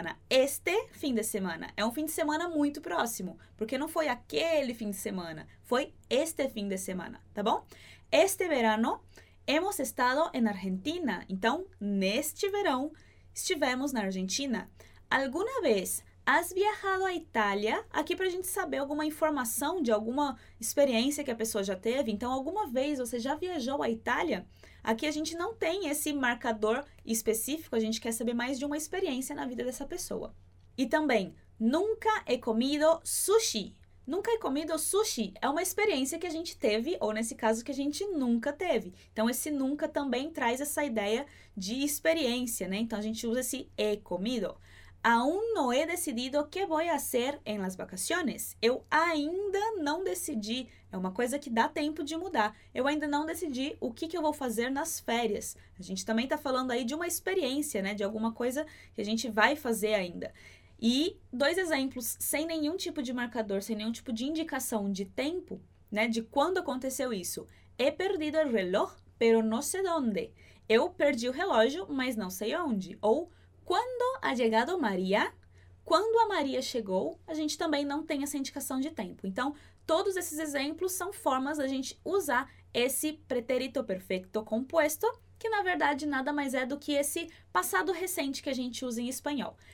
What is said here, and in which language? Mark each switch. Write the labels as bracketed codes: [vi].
[pt] Este fin de semana é um fin de semana muito próximo, porque não foi aquele fin de semana, foi este fin de semana, tá bom? [es] Este verano hemos estado en Argentina. [pt] Então neste verão estivemos na Argentina. [es] Alguna vez Has viajado a Itália? [pt] Aqui para a gente saber alguma informação de alguma experiência que a pessoa já teve. Então, alguma vez você já viajou à Itália? Aqui a gente não tem esse marcador específico, a gente quer saber mais de uma experiência na vida dessa pessoa. E também, [es] nunca he comido sushi. Nunca he comido sushi [pt] é uma experiência que a gente teve, ou nesse caso, que a gente nunca teve. Então, esse nunca também traz essa ideia de experiência, né? Então, a gente usa esse he comido. [es] Aún no he decidido qué voy a hacer en las vacaciones. [pt] Eu ainda não decidi. É uma coisa que dá tempo de mudar. Eu ainda não decidi o que que eu vou fazer nas férias. A gente também está falando aí de uma experiência, né? De alguma coisa que a gente vai fazer ainda. E dois exemplos sem nenhum tipo de marcador, sem nenhum tipo de indicação de tempo, né? De quando aconteceu isso. [es] He perdido el reloj, pero no sé dónde. [pt] Eu perdi o relógio, mas não sei onde. Ou [es] Quando ha llegado María? [pt] Quando a Maria chegou, a gente também não tem essa indicação de tempo. Então, todos esses exemplos são formas da gente usar esse pretérito perfeito composto, que na verdade nada mais é do que esse passado recente que a gente usa em espanhol.